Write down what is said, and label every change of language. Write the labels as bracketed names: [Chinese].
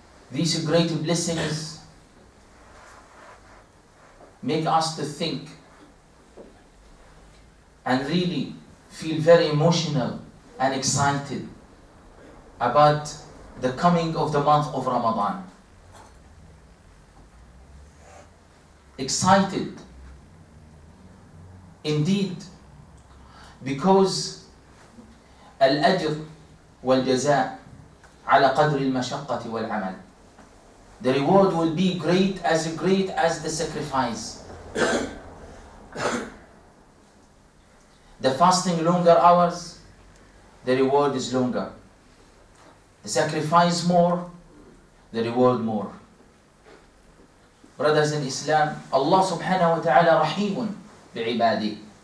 [English] These great blessings make us to think and really feel very emotional and excited about the coming of the month of Ramadan. Excited indeed, because [Arabic] الأجر والجزاء على قدر المشقة والعمل. [English] The reward will be great as the sacrifice. The fasting longer hours, the reward is longer. The sacrifice more, the reward more. Brothers in Islam, Allah subhanahu wa ta'ala rahimun bi'ibadi.